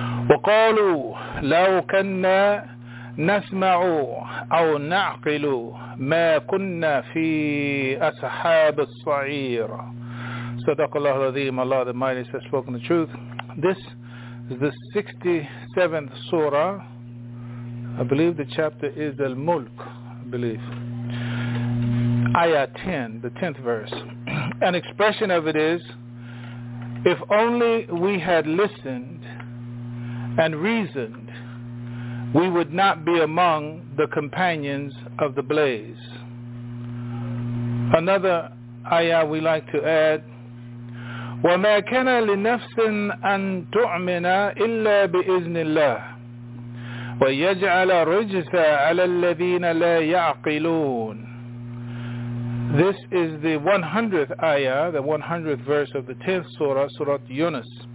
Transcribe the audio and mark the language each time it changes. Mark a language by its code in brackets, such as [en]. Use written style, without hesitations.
[ar] وقالوا لو كنا نسمع أو نعقل ما كنا في أصحاب الصعير. صدق الله العظيم. [en] Allah the Mighty has spoken the truth. This is the 67th surah. I believe the chapter is Al-Mulk, I believe. Ayah 10, the 10th verse. An expression of it is, if only we had listened and reasoned, we would not be among the companions of the blaze. Another ayah we like to add, [ar] وَمَا كَانَ لِنَفْسٍ أَن تُؤْمِنَ إِلَّا بِإِذْنِ اللَّهِ وَيَجْعَلَ رِجْسَ عَلَى الَّذِينَ لَا يَعْقِلُونَ. [en] This is the 100th ayah, the 100th verse of the 10th surah, Surah Yunus.